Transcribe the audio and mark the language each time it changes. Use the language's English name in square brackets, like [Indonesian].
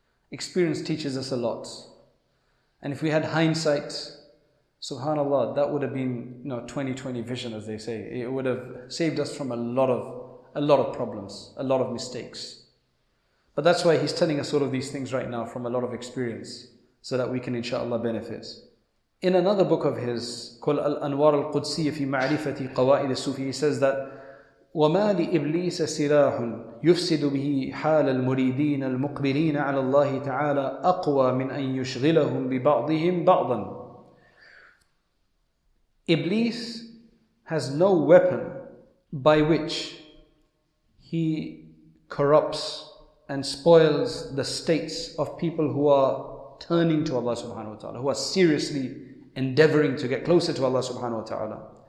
[English] Experience teaches us a lot. And if we had hindsight, subhanallah, that would have been, you know, 20/20 vision, as they say. It would have saved us from a lot of problems, a lot of mistakes. But that's why he's telling us all of these things right now from a lot of experience, so that we can, inshallah, benefit. In another book of his, called Al-Anwar Al-Qudsiyya fi Ma'rifati Qawa'id Al-Sufi, he says that, [Arabic] وَمَا لِإِبْلِيسَ سِرَاحٌ يُفْسِدُ بِهِ حَالَ الْمُرِيدِينَ الْمُقْبِلِينَ عَلَى اللَّهِ تَعَالَى أَقْوَى مِنْ أَنْ يُشْغِلَهُمْ بِبَعْضِهِمْ بَعْضًا. [English] Iblis has no weapon by which he corrupts and spoils the states of people who are turning to Allah subhanahu wa ta'ala, who are seriously endeavoring to get closer to Allah subhanahu wa ta'ala.